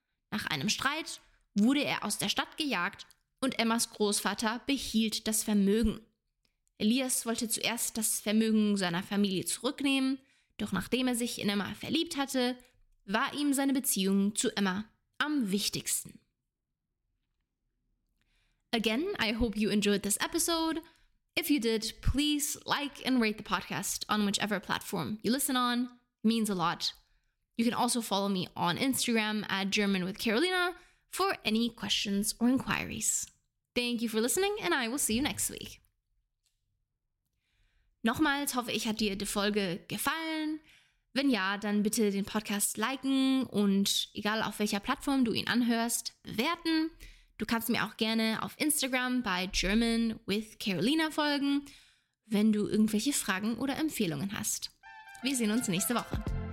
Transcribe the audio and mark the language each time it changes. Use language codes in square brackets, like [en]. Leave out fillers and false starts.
[de] Nach einem Streit wurde er aus der Stadt gejagt und Emmas Großvater behielt das Vermögen. Elias wollte zuerst das Vermögen seiner Familie zurücknehmen, doch nachdem er sich in Emma verliebt hatte, war ihm seine Beziehung zu Emma am wichtigsten. [en] Again, I hope you enjoyed this episode. If you did, please like and rate the podcast on whichever platform you listen on. Means a lot. You can also follow me on Instagram at GermanWithCarolina for any questions or inquiries. Thank you for listening and I will see you next week. [de] Nochmals hoffe ich, hat dir die Folge gefallen. Wenn ja, dann bitte den Podcast liken und egal auf welcher Plattform du ihn anhörst, bewerten. Du kannst mir auch gerne auf Instagram bei GermanWithCarolina folgen, wenn du irgendwelche Fragen oder Empfehlungen hast. Wir sehen uns nächste Woche.